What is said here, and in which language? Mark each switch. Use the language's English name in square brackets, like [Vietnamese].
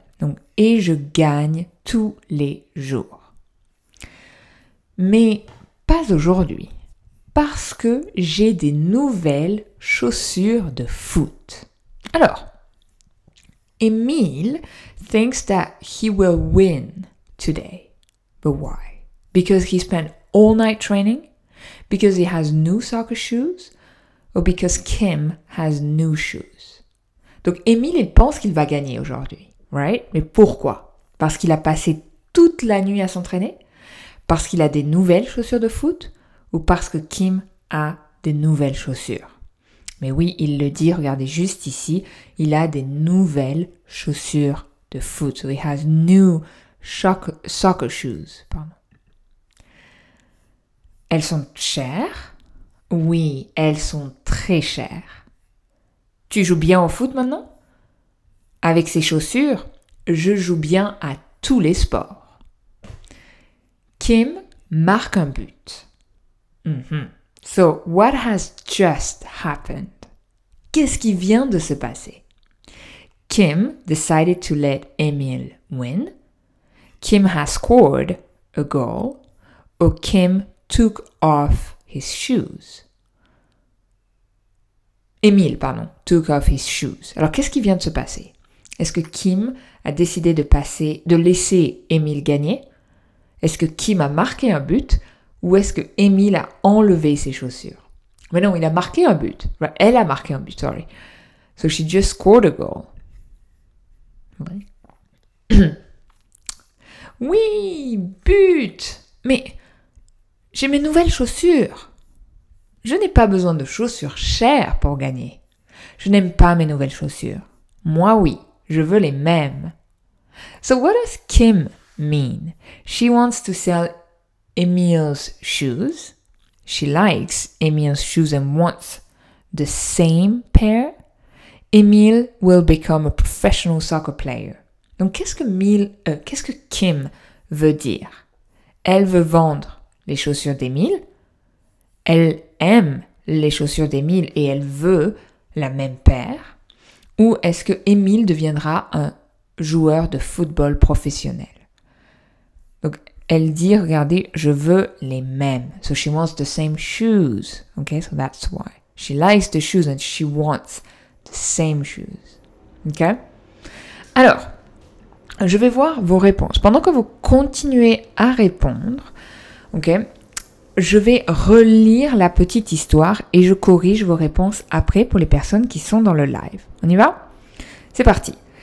[French] Donc, et je gagne tous les jours. Mais pas aujourd'hui, parce que j'ai des nouvelles chaussures de foot. [English] Alors, Emile thinks that he will win today. But why? Because he spent all night training? Because he has new soccer shoes? Or because Kim has new shoes? [French] Donc, Emile, il pense qu'il va gagner aujourd'hui, right? Mais pourquoi? Parce qu'il a passé toute la nuit à s'entraîner? Parce qu'il a des nouvelles chaussures de foot? Ou parce que Kim a des nouvelles chaussures? Mais oui, il le dit, regardez juste ici, il a des nouvelles chaussures de foot. [English] So he has new soccer shoes. [French] Pardon. Elles sont chères? Oui, elles sont très chères. Tu joues bien au foot maintenant? Avec ces chaussures, je joue bien à tous les sports. Kim marque un but. Mm-hmm. [English] So, what has just happened? [French] Qu'est-ce qui vient de se passer? [English] Kim decided to let Emil win. Kim has scored a goal. Or Kim took off his shoes. Emil, pardon, took off his shoes. [French] Alors, qu'est-ce qui vient de se passer? Est-ce que Kim a décidé de laisser Emil gagner? Est-ce que Kim a marqué un but? Ou est-ce que Emil a enlevé ses chaussures? Mais non, il a marqué un but. Elle a marqué un but, [English] sorry. So she just scored a goal. [French] Ouais. Oui, but! Mais j'ai mes nouvelles chaussures. Je n'ai pas besoin de chaussures chères pour gagner. Je n'aime pas mes nouvelles chaussures. Moi, oui, je veux les mêmes. [English] So what does Kim mean? She wants to sell Emil's shoes. She likes Emil's shoes and wants the same pair. Emil will become a professional soccer player. [French] Donc, qu'est-ce que Kim veut dire? Elle veut vendre les chaussures d'Emil. Elle aime les chaussures d'Emil et elle veut la même paire. Ou est-ce que Emil deviendra un joueur de football professionnel? Donc, elle dit, regardez, je veux les mêmes. [English] So she wants the same shoes. Okay, so that's why. She likes the shoes and she wants the same shoes. Okay? [French] Alors, je vais voir vos réponses. Pendant que vous continuez à répondre, okay, je vais relire la petite histoire et je corrige vos réponses après pour les personnes qui sont dans le live. On y va? C'est parti.